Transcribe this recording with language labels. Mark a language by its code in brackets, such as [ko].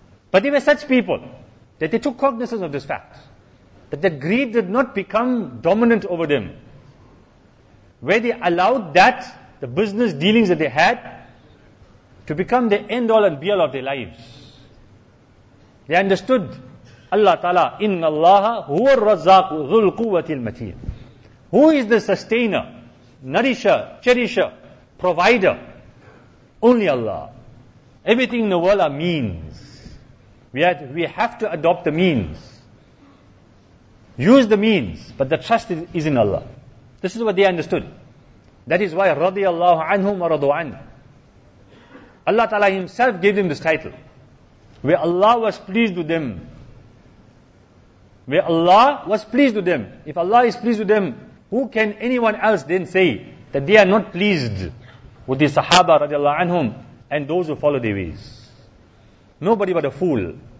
[en] But they were such people that they took cognizance of this fact. That their greed did not become dominant over them. Where they allowed that, the business dealings that they had, to become the end all and be all of their lives. They understood Allah Ta'ala, [ar] إِنَّ اللَّهَ هُوَ الرَّزَّاقُ ذُو الْقُوَّةِ الْمَتِينَ. [en] Who is the sustainer, nourisher, cherisher, provider? Only Allah. Everything in the world are means. We have to adopt the means. Use the means, but the trust is in Allah. This is what they understood. That is why [ar] رَضِيَ اللَّهُ عَنْهُمْ وَرَضُوا عَنْهُمْ. [en] Allah Ta'ala Himself gave them this title. Where Allah was pleased with them. Where Allah was pleased with them. If Allah is pleased with them, who can anyone else then say that they are not pleased with the Sahaba radiallahu anhum and those who follow their ways? Nobody but a fool.